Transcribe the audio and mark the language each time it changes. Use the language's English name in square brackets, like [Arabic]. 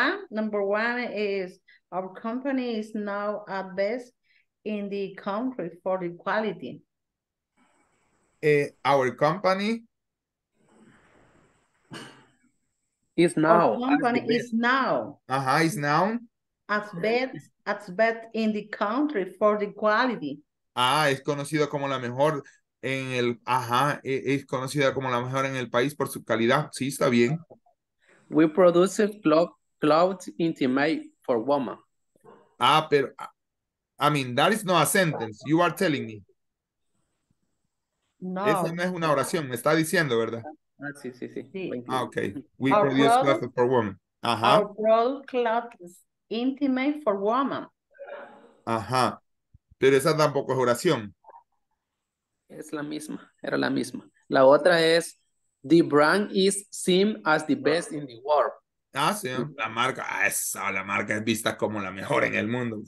[English] Number one is our company is now at best in the country for equality. Our company is now. Is now. At best in the country for the quality. [Spanish] Ah, es conocida como la mejor en el. Ajá, es conocida como la mejor en el país por su calidad. Sí, está bien. [English] We produce clothes intimate for women. Ah, pero, I mean, that is not a sentence. You are telling me. [Spanish] No. Esa no es una oración, me está diciendo, ¿verdad? Sí. [English] Ah, okay. We our produce product, clothes for women. Ajá. Our clothes intimate for women. [Spanish] Ajá. Pero esa tampoco es oración. Es la misma, era la misma. La otra es, [English] the brand is seen as the best in the world. [Spanish] Ah, sí. La marca, esa, la marca es vista como la mejor en el mundo.